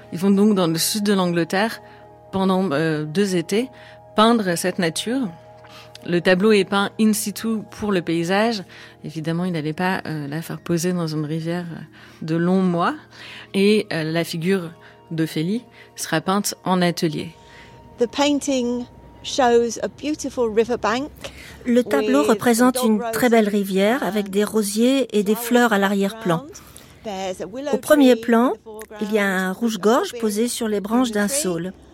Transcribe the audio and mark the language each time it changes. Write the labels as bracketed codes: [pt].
[fr] Ils vont donc dans le sud de l'Angleterre pendant 2 étés peindre cette nature. Le tableau est peint in situ pour le paysage. Évidemment, il n'allait pas la faire poser dans une rivière de longs mois. Et la figure d'Ophélie sera peinte en atelier. [en] The painting shows a beautiful river bank. [fr] Le tableau représente une très belle rivière avec des rosiers et des fleurs à l'arrière-plan. Au premier plan, il y a un rouge-gorge posé sur les branches d'un saule.